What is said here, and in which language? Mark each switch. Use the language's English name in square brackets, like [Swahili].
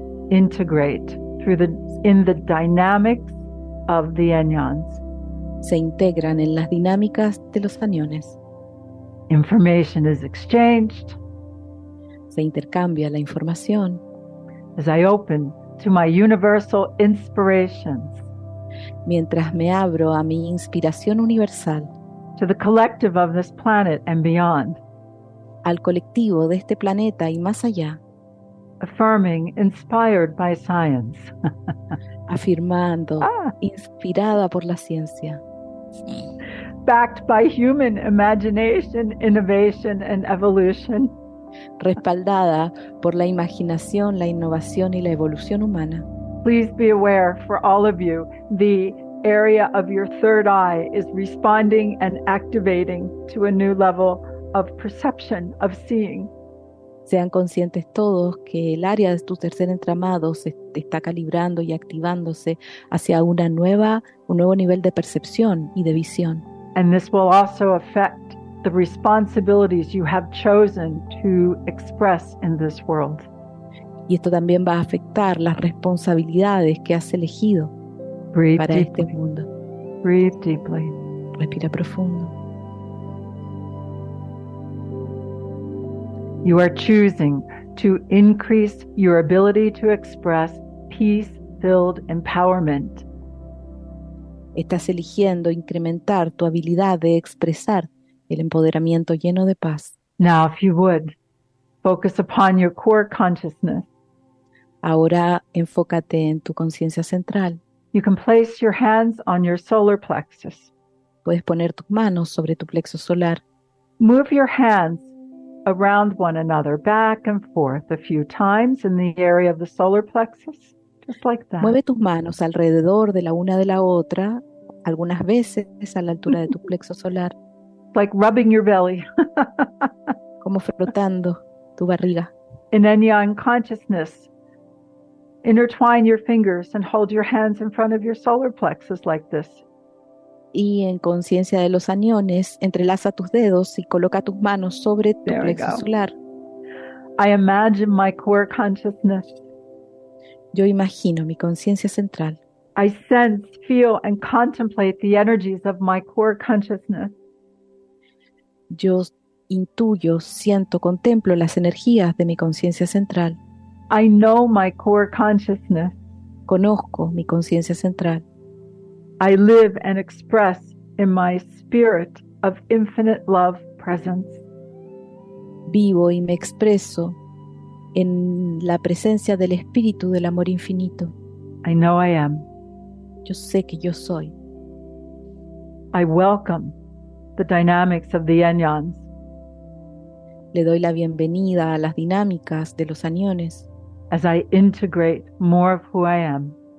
[English] Integrate through the in the dynamics of the anyons. [Spanish] Se integran en las dinámicas de los aniones. [English] Information is exchanged. [Spanish] Se intercambia la información. [English] As I open to my universal inspirations. [Spanish] Mientras me abro a mi inspiración universal. [English] To the collective of this planet and beyond. [Spanish] Al colectivo de este planeta y más allá. [English] Affirming, inspired by science. [Spanish] Afirmando, inspirada por la ciencia. [English] Backed by human imagination, innovation, and evolution. [Spanish] Respaldada por la imaginación, la innovación y la evolución humana. [English] Please be aware, for all of you, the area of your third eye is responding and activating to a new level of perception, of seeing. [Spanish] Sean conscientes todos que el área de tu tercer entramado se está calibrando y activándose hacia un nuevo nivel de percepción y de visión. [English] And this will also affect the responsibilities you have chosen to express in this world. [Spanish] Y esto también va a afectar las responsabilidades que has elegido para este mundo. [English] Breathe deeply. [Spanish] Respira profundo. [English] You are choosing to increase your ability to express peace-filled empowerment. [Spanish] Estás eligiendo incrementar tu habilidad de expresar el empoderamiento lleno de paz. [English] Now, if you would, focus upon your core consciousness. [Spanish] Ahora, enfócate en tu conciencia central. [English] You can place your hands on your solar plexus. [Spanish] Puedes poner tus manos sobre tu plexo solar. [English] Move your hands around one another, back and forth a few times in the area of the solar plexus, just like that. [Spanish] Mueve tus manos alrededor de la una de la otra, algunas veces a la altura de tu plexo solar. [English] Like rubbing your belly. [Spanish] Como frotando tu barriga. [English] In anyon consciousness, intertwine your fingers and hold your hands in front of your solar plexus like this. [Spanish] Y en conciencia de los aniones, entrelaza tus dedos y coloca tus manos sobre tu plexo solar. [English] I imagine my core consciousness. [Spanish] Yo imagino mi conciencia central. [English] I sense, feel, and contemplate the energies of my core consciousness. [Spanish] Yo intuyo, siento, contemplo las energías de mi conciencia central. [English] I know my core consciousness. [Spanish] Conozco mi conciencia central. [English] I live and express in my spirit of infinite love presence. [Spanish] Vivo y me expreso en la presencia del espíritu del amor infinito. [English] I know I am. [Spanish] Yo sé que yo soy. [English] I welcome the dynamics of the anyons. [Spanish] Le doy la bienvenida a las dinámicas de los aniones. [English] As I integrate more of who I am.